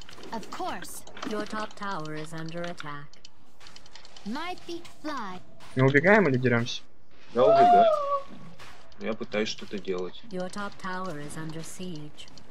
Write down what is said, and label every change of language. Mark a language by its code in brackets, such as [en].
[en] Of course, your top tower is under attack. My feet fly. [ru] Мы убегаем или деремся? Я убегаю. Я пытаюсь что-то делать. [en] Your top tower is under siege.